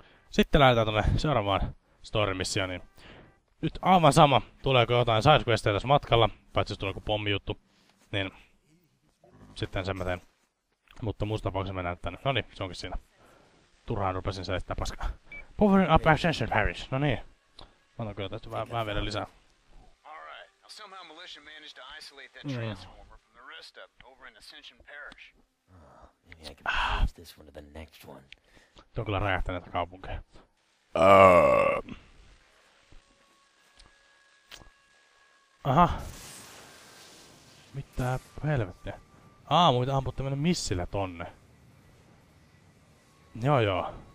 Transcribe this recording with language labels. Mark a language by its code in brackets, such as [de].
[fi] Sitten lähdetään tonne seuraavaan story-missioon. Niin nyt aivan sama, tuleeko jotain sidequesteja tässä matkalla, paitsi jos tulee joku pommi-juttu, niin sitten sen mä teen. Mutta muusta tapauksessa mennään tänne. Noniin, se onkin siinä. Turhaan rupesin selittää paskaa. [en] Powering up ascension Paris. [fi] Noniin. Mä otan kyllä tästä vähän vielä lisää. [en] Somehow militia managed to isolate that transformer from the rest up over in Ascension Parish. Maybe I can use this one to the next one. [fi] Tuo kyllä räjähtää näitä kaupunkeja. Aha. Mitä helvettiä? Muita ampuu tämmönen missillä tonne. Joo.